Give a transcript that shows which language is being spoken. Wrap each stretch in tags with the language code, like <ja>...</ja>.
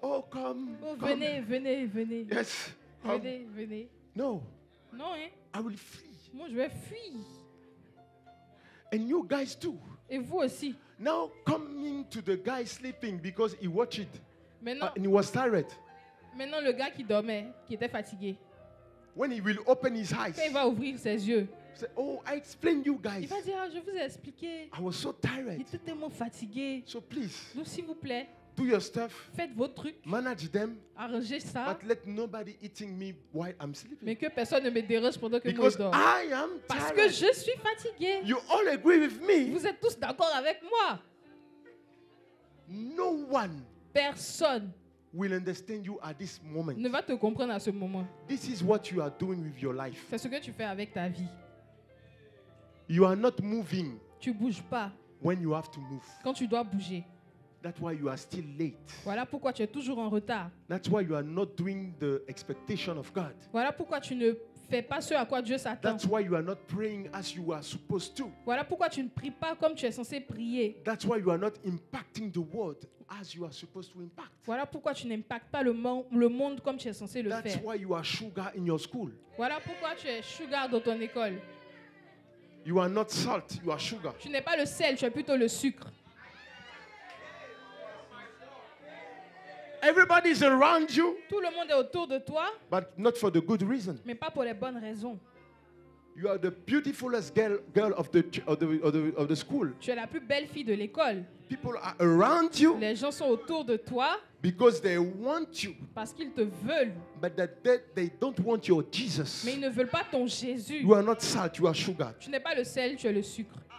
<en>Oh, come.</en> <fr>Oh, venez,</fr> <en>come.</en> <fr>venez.</fr> <en>Yes.</en> <fr>Venez.</fr> <en>No.</en> <fr>Non, hein.</fr> <en>I will flee.</en> <fr>Moi, je vais fuir.</fr> <en>And you guys too.</en> <fr>Et vous aussi.</fr> <en>Now coming to the guy sleeping because he watched it.</en> <fr>Maintenant,</fr> <en>and he was tired.</en> <fr>Maintenant, le gars qui dormait, qui était fatigué.</fr> <en>When he will open his eyes.</en> <fr>Quand il va ouvrir ses yeux.</fr> <en>Say, oh, I explained you guys.</en> <fr>Il va dire, ah, je vous ai expliqué.</fr> <en>I was so tired.</en> <fr>Il était tellement fatigué.</fr> <en>So please.</en> <fr>Donc, s'il vous plaît.</fr> <en>Do your stuff.</en> <fr>Faites vos trucs.</fr> <en>Manage them.</en> <fr>Arrangez ça.</fr> <en>But let nobody eating me while I'm sleeping.</en> <fr>Mais que personne ne me dérange pendant que</fr> <en>because</en> <fr>moi je dors.</fr> <en>Because I am tired.</en> <fr>Parce que je suis fatigué.</fr> <en>You all agree with me.</en> <fr>Vous êtes tous d'accord avec moi.</fr> <en>No one.</en> <fr>Personne.</fr> <en>Will understand you at this moment.</en> <fr>Ne va te comprendre à ce moment.</fr> <en>This is what you are doing with your life.</en> <fr>C'est ce que tu fais avec ta vie.</fr> <en>You are not moving.</en> <fr>Tu bouges pas.</fr> <en>When you have to move.</en> <fr>Quand tu dois bouger.</fr> <en>That's why you are still late.</en> <fr>Voilà pourquoi tu es toujours en retard.</fr> <en>That's why you are not doing the expectation of God.</en> <fr>Voilà pourquoi tu ne fais pas ce à quoi Dieu s'attend.</fr> <en>That's why you are not praying as you are supposed to.</en> <fr>Voilà pourquoi tu ne pries pas comme tu es censé prier.</fr> <en>That's why you are not impacting the world as you are supposed to impact.</en> <fr>Voilà pourquoi tu n'impactes pas le monde comme tu es censé le faire.</fr> <en>That's why you are sugar in your school.</en> <fr>Voilà pourquoi tu es sugar dans ton école.</fr> <en>You are not salt, you are sugar.</en> <fr>Tu n'es pas le sel, tu es plutôt le sucre.</fr> <en>Everybody is around you.</en> <fr>Tout le monde est autour de toi.</fr> <en>But not for the good reason.</en> <fr>Mais pas pour les bonnes raisons.</fr> <en>You are the beautifulest girl of the school.</en> <fr>Tu es la plus belle fille de l'école.</fr> <en>People are around you.</en> <fr>Les gens sont autour de toi.</fr> <en>Because they want you.</en> <fr>Parce qu'ils te veulent.</fr> <en>But they don't want your Jesus.</en> <fr>Mais ils ne veulent pas ton Jésus.</fr> <en>You are not salt, you are sugar.</en> <fr>Tu n'es pas le sel, tu es le sucre.</fr>